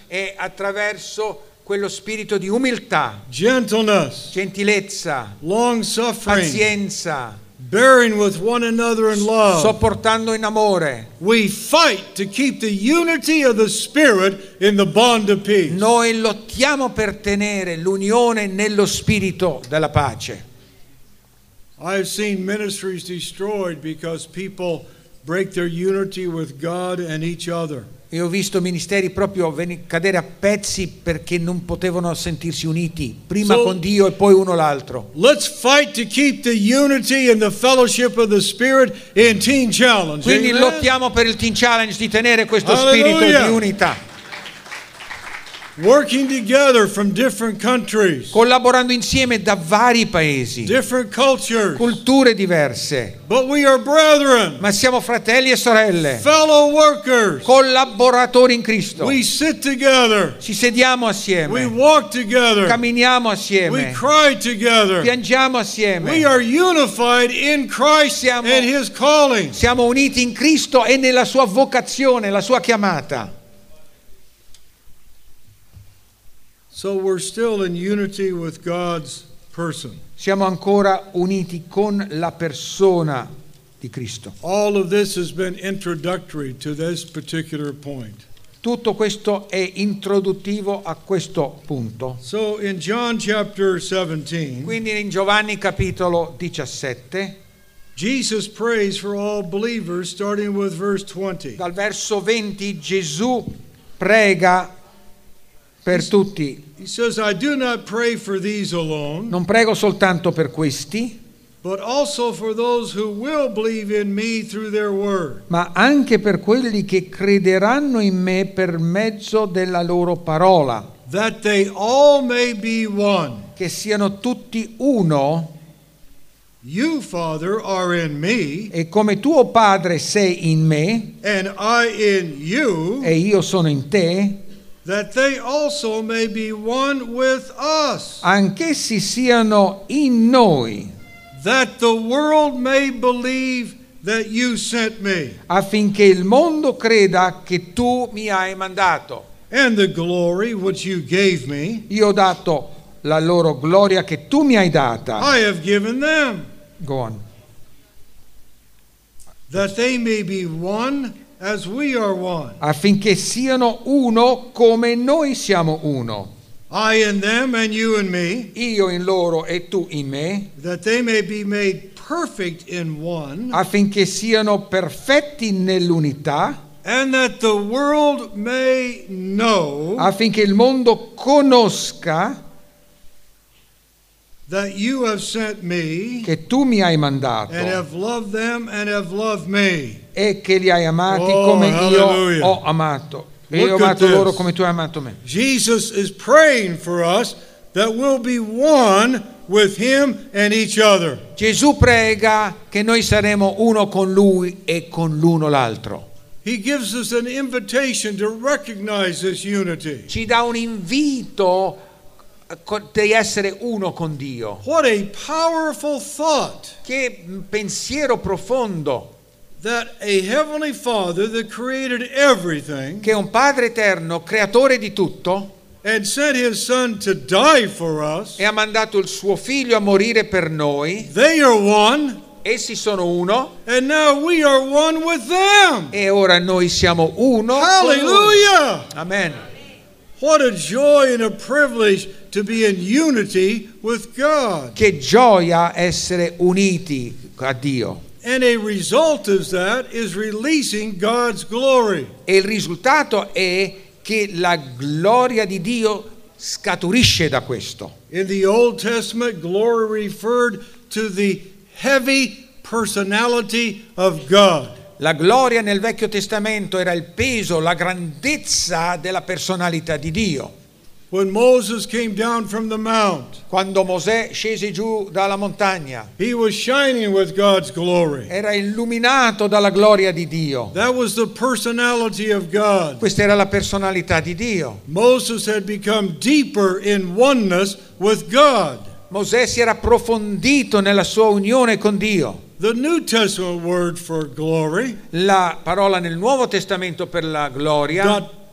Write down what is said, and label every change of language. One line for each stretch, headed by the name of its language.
Italian: E attraverso quello spirito di umiltà.
English: Gentleness.
Italian: Gentilezza.
English: Long suffering.
Italian: Pazienza.
English: Bearing with one another in love.
Italian: Sopportando in amore.
English: We fight to keep the unity of the Spirit in the bond of peace.
Italian: Noi lottiamo per tenere l'unione nello spirito della pace.
English: I've seen ministries destroyed because people break their unity with God and each other.
Italian: Io ho visto ministeri proprio cadere a pezzi perché non potevano sentirsi uniti, prima
English: so,
Italian: con Dio e poi uno l'altro.
English: Let's fight to keep the unity and the fellowship of the Spirit in Teen Challenge.
Italian: Quindi amen? Lottiamo per il Teen Challenge di tenere questo Hallelujah. Spirito di unità.
English: Working together from different countries.
Italian: Collaborando insieme da vari paesi.
English: Different cultures.
Italian: Culture diverse.
English: But we are brethren.
Italian: Ma siamo fratelli e sorelle.
English: Fellow workers.
Italian: Collaboratori in Cristo.
English: We sit together.
Italian: Ci sediamo assieme.
English: We walk together.
Italian: Camminiamo assieme.
English: We cry together.
Italian: Piangiamo assieme.
English: We are unified in Christ and His calling.
Italian: Siamo uniti in Cristo e nella sua vocazione, la sua chiamata.
English: So we're still in unity with God's person.
Italian: Siamo ancora uniti con la persona di Cristo.
English: All of this has been introductory to this particular point.
Italian: Tutto questo è introduttivo a questo punto.
English: So in John chapter 17.
Italian: Quindi in Giovanni capitolo 17.
English: Jesus prays for all believers starting with verse 20.
Italian: Dal verso 20 Gesù prega per tutti.
English: He says, I do not pray for these alone,
Italian: non prego soltanto per questi,
English: but also for those who will believe in me through their word.
Italian: Ma anche per quelli che crederanno in me per mezzo della loro parola.
English: That they all may be one.
Italian: Che siano tutti uno.
English: You, Father, are in me.
Italian: E come tuo padre sei in me.
English: And I in you.
Italian: E io sono in te.
English: That they also may be one with us.
Italian: Anch'essi siano in noi.
English: That the world may believe that you sent me.
Italian: Affinché il mondo creda che tu mi hai mandato.
English: And the glory which you gave me.
Italian: Io ho dato la loro gloria che tu mi hai data.
English: I have given them. Go on. That they may be one. As we are one.
Italian: Affinché siano uno come noi siamo uno.
English: I in them and you in me.
Italian: Io in loro e tu in me.
English: That they may be made perfect in one.
Italian: Affinché siano perfetti nell'unità.
English: And that the world may know.
Italian: Affinché il mondo conosca.
English: That you have sent me.
Italian: Che tu mi hai mandato.
English: And have loved them and have loved me.
Italian: E che li hai amati come io ho amato. E ho amato loro come tu hai amato me.
English: Jesus is praying for us that we'll be one with him and each other.
Italian: Gesù prega che noi saremo uno con lui e con l'uno l'altro.
English: He gives us an invitation to recognize this unity.
Italian: Ci dà un invito di essere uno con Dio.
English: What a powerful thought.
Italian: Che pensiero profondo.
English: That a heavenly Father that created everything,
Italian: che un Padre eterno, creatore di tutto,
English: and sent his son to die for us,
Italian: e ha mandato il suo figlio a morire per noi.
English: They are one,
Italian: essi sono uno,
English: and now we are one with them.
Italian: E ora noi siamo uno. Hallelujah! Amen.
English: What a joy and a privilege to be in unity with God.
Italian: Che gioia essere uniti a Dio.
English: And a result of that is releasing God's glory.
Italian: E il risultato è che la gloria di Dio scaturisce da questo.
English: In the Old Testament, glory referred to the heavy personality of God.
Italian: La gloria nel Vecchio Testamento era il peso, la grandezza della personalità di Dio.
English: When Moses came down from the mount,
Italian: quando Mosè scese giù dalla montagna,
English: he was shining with God's glory.
Italian: Era illuminato dalla gloria di Dio.
English: That was the personality of God.
Italian: Questa era la personalità di Dio.
English: Moses had become deeper in oneness with God.
Italian: Mosè si era approfondito nella sua unione con Dio.
English: The New Testament word for glory,
Italian: la parola nel Nuovo Testamento per la gloria,